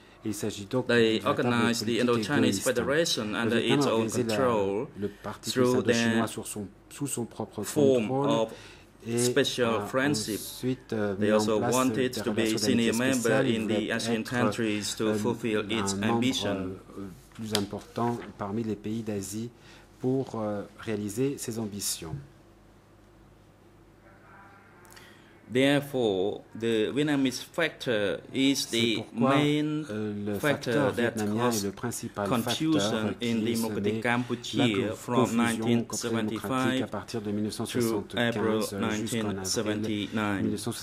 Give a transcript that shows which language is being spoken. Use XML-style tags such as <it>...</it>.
<en>They organized the Indochinese Federation under its own control through their form of special friendship. They also wanted to be senior member in the ASEAN countries to fulfill its ambition.</en> <fr>Plus important parmi les pays d'Asie pour réaliser ses ambitions.</fr> <en>Therefore, the Vietnamese factor is the main factor that caused confusion in democratic Cambodia from 1975 to April 1979.</en>